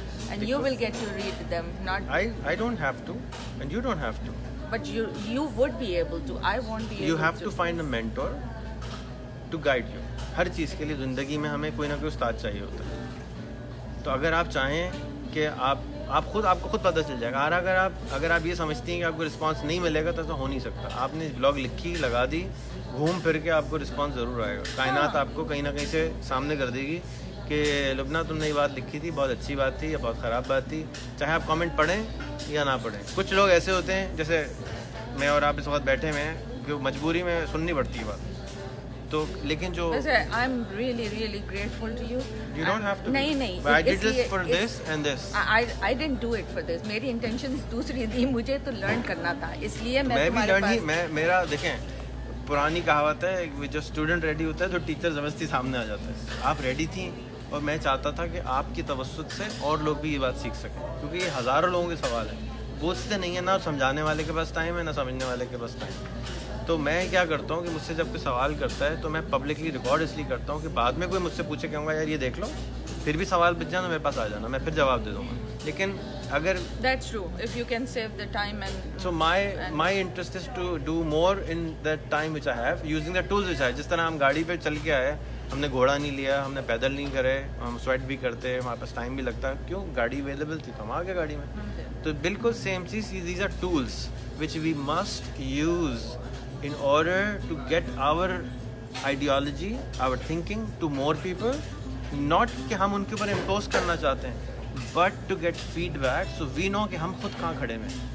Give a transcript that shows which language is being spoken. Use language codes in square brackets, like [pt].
[en] And you will get to read them, not I don't have to and you don't have to, but you would be able to, I won't be able to. You have to find a mentor to guide you. [ur] ہر چیز کے لیے زندگی میں ہمیں کوئی نہ کوئی استاد چاہیے ہوتا ہے. تو اگر آپ چاہیں کہ آپ خود, آپ کو خود پتہ چل جائے گا. اور اگر آپ یہ سمجھتی ہیں کہ آپ کو رسپانس نہیں ملے گا تو ایسا ہو نہیں سکتا. آپ نے بلاگ لکھی, لگا دی, گھوم پھر کے آپ کو رسپانس ضرور آئے گا. کائنات آپ کو کہیں نہ کہیں سے سامنے کر دے گی کہ لبنا تم نے یہ بات لکھی تھی, بہت اچھی بات تھی یا بہت خراب بات تھی. چاہے آپ کامنٹ پڑھیں یا نہ پڑھیں, کچھ لوگ ایسے ہوتے ہیں جیسے میں اور آپ اس وقت بیٹھے ہوئے ہیں کہ مجبوری میں سننی پڑتی ہے بات. تو لیکن جو [en] I'm really really grateful to you. You don't have to. [ur] نہیں نہیں, [en] but I did this for this and this. I didn't do it for this. [ur] میری انٹینشن دوسری تھی, مجھے تو لرن کرنا تھا, اس لیے میں بھی لرن ہی. میں میرا دیکھیں, پرانی کہاوت ہے جو اسٹوڈنٹ ریڈی ہوتا ہے تو ٹیچر زبردستی سامنے آ جاتا ہے. آپ ریڈی تھیں اور میں چاہتا تھا کہ آپ کی توسط سے اور لوگ بھی یہ بات سیکھ سکیں, کیونکہ یہ ہزاروں لوگوں کے سوال ہیں, پوچھتے نہیں ہیں, نہ سمجھانے والے کے پاس ٹائم ہے نہ سمجھنے والے کے پاس ٹائم. تو میں کیا کرتا ہوں کہ مجھ سے جب کوئی سوال کرتا ہے تو میں پبلکلی ریکارڈ اس لیے کرتا ہوں کہ بعد میں کوئی مجھ سے پوچھے کہوں گا یار یہ دیکھ لو, پھر بھی سوال بچ جانا میرے پاس آ جانا, میں پھر جواب دے دوں گا. لیکن اگر [en] That's true, if you can save the time and so my interest is to do more in that time which I have using the tools which I. [ur] جس طرح ہم گاڑی پہ چل کے آئے, ہم نے گھوڑا نہیں لیا, ہم نے پیدل نہیں کرے, ہم سویٹ بھی کرتے, ہمارے پاس ٹائم بھی لگتا, کیوں, گاڑی اویلیبل تھی تو ہم آ گئے گاڑی میں. تو بالکل سیم چیز, [en] These are tools which we must use in order to get our ideology, our thinking to more people. Not [ur] کہ ہم ان کے اوپر امپوز کرنا چاہتے ہیں, [en] but to get feedback so we know [ur] ki hum khud kahan khade hain.